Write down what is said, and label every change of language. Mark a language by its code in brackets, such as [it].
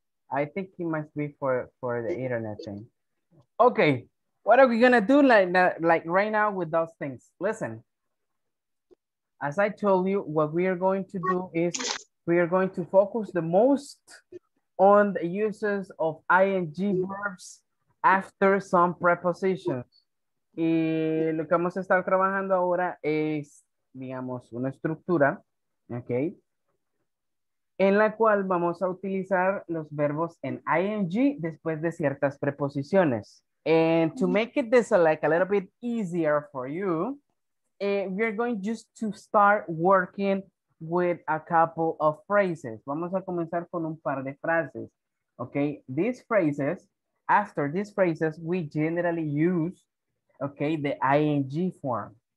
[en] I think it must be for the internet thing. Okay, what are we gonna do like right now with those things? Listen, as I told you, what we are going to do is we are going to focus the most on the uses of ing verbs after some prepositions. [es] Y lo que vamos a estar trabajando ahora es, digamos, una estructura, ¿ok? En la cual vamos a utilizar los verbos en ing después de ciertas preposiciones. [en] And to make it this like a little bit easier for you, we are going just to start working with a couple of phrases. [es] Vamos a comenzar con un par de frases. [en] Okay, these phrases, after these phrases, we generally use, okay, the ing form.